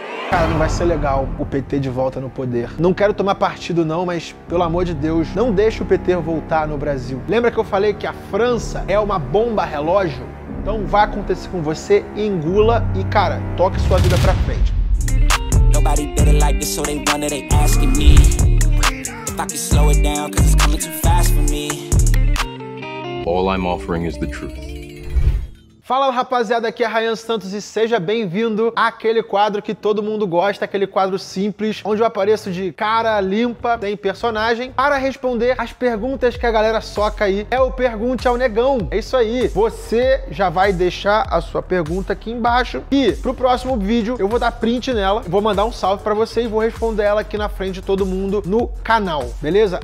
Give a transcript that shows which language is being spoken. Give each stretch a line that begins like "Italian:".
Portuguese: Cara, não vai ser legal o PT de volta no poder. Não quero tomar partido não, mas pelo amor de Deus, não deixe o PT voltar no Brasil. Lembra que eu falei que a França é uma bomba relógio? Então vai acontecer com você, engula e, cara, toque sua vida pra frente.
English: Nobody did it like this, so they wonder, they asking me if I can slow it down, cause it's coming too fast for me. All I'm offering is the truth.
Portuguese: Fala, rapaziada, aqui é Ryan Santos e seja bem-vindo àquele quadro que todo mundo gosta, aquele quadro simples, onde eu apareço de cara limpa, sem personagem, para responder as perguntas que a galera soca aí. É o Pergunte ao Negão. É isso aí. Você já vai deixar a sua pergunta aqui embaixo e pro próximo vídeo eu vou dar print nela, vou mandar um salve pra você e vou responder ela aqui na frente de todo mundo no canal, beleza?